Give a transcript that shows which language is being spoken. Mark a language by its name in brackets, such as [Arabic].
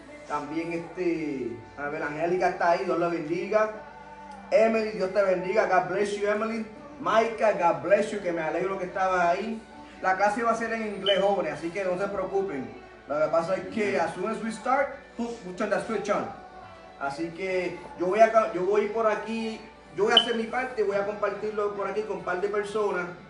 [Spanish] También a ver, Angélica está ahí, Dios la bendiga. Emily, Dios te bendiga, [English] God bless you, [Spanish] Emily. Micah, [English] God bless you, [Spanish] que me alegro que estaba ahí. La clase va a ser en inglés, jóvenes, así que no se preocupen. Lo que pasa es que [English] as soon as we start, we turn the switch on. [Spanish] Así que yo voy por aquí, yo voy a hacer mi parte, voy a compartirlo por aquí con un par de personas.